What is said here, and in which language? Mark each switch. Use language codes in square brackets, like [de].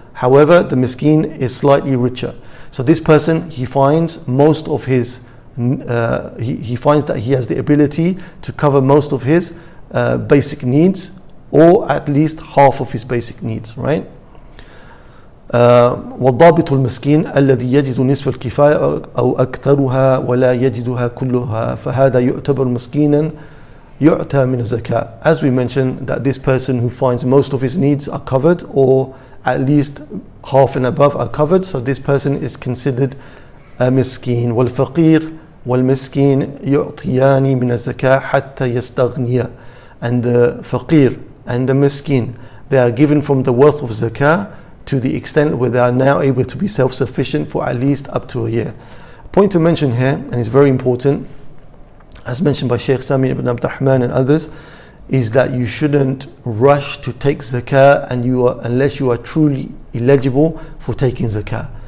[en] However, the miskin is slightly richer. So this person, he finds most of his, he finds that he has the ability to cover most of his basic needs, or at least half of his basic needs, right? [ar] والضابط المسكين الذي يجد نصف الكفاية أو أكثرها ولا يجدها كلها فهذا يعتبر مسكينا يعتى من الزكاة. [en] As we mentioned, that this person who finds most of his needs are covered, or at least half and above are covered, so this person is considered a miskin. [ar] والفقير والمسكين يعطيان من الزكاة حتى يستغنيا. [en] And the faqir and the miskin, they are given from the wealth of zakah to the extent where they are now able to be self-sufficient for at least up to a year. Point to mention here, and it's very important, as mentioned by Sheikh Sami ibn Abd al-Rahman and others, is that you shouldn't rush to take zakah unless you are truly eligible for taking zakah.